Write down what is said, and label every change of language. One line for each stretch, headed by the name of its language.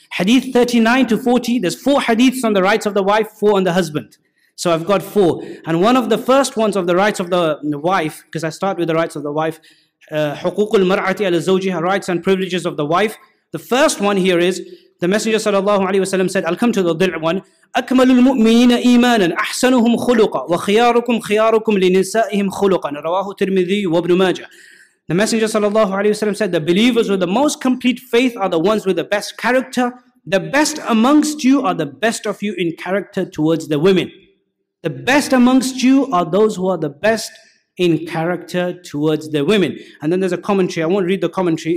English: Hadith 39 to 40, there's 4 hadiths on the rights of the wife, 4 on the husband. So I've got 4. And one of the first ones of the rights of the wife, because I start with the rights of the wife,
Arabic: حقوق المرأة على زوجها,
English: rights and privileges of the wife. The first one here is, the Messenger sallallahu alayhi wa sallam said, I'll come to the dil' one.
Arabic: أكمل المؤمنين إيمانا أحسنهم خلقا وخياركم خياركم لنسائهم خلقا رواه ترمذي وابن ماجه.
English: The Messenger sallallahu alayhi wa sallam said, the believers with the most complete faith are the ones with the best character. The best amongst you are the best of you in character towards the women. The best amongst you are those who are the best in character towards the women. And then there's a commentary. I won't read the commentary.